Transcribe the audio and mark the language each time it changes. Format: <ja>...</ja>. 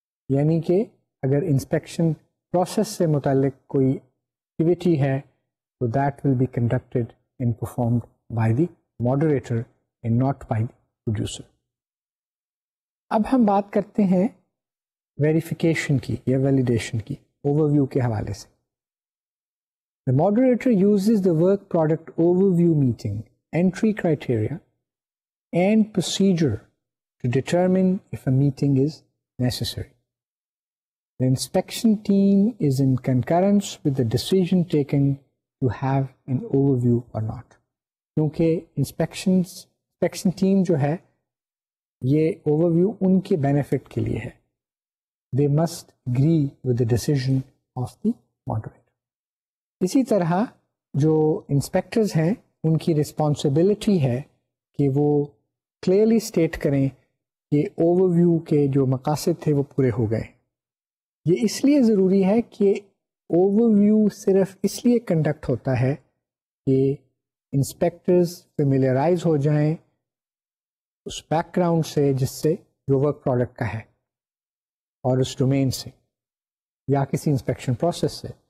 <ur>یعنی کہ اگر انسپیکشن پروسیس سے متعلق کوئی ایکٹیویٹی ہے تو</ur> <en>That will be conducted and performed by the moderator and not by the producer.</en> <ur>اب ہم بات کرتے ہیں ویریفیکیشن کی یا ویلیڈیشن کی اوور ویو کے حوالے سے.</ur> <en>The moderator uses the work product overview meeting entry criteria and procedure to determine if a meeting is necessary. The inspection team is in concurrence with the decision taken to have an overview or not.</en> <ur>کیونکہ inspection team جو ہے یہ over view ان کے benefit کے لیے ہے.</ur> <en>They must agree with the decision of the moderator.</en> <ur>اسی طرح جو انسپیکٹرز ہیں ان کی رسپانسبلٹی ہے کہ وہ کلیئرلی اسٹیٹ کریں کہ اوور ویو کے جو مقاصد تھے وہ پورے ہو گئے ہیں. یہ اس لیے ضروری ہے کہ اوور ویو صرف اس لیے کنڈکٹ ہوتا ہے کہ انسپیکٹرز فیملیئرائز ہو جائیں اس بیک گراؤنڈ سے جس سے جو ورک پروڈکٹ کا ہے اور اس ڈومین سے یا کسی انسپیکشن پروسیس سے.</ur>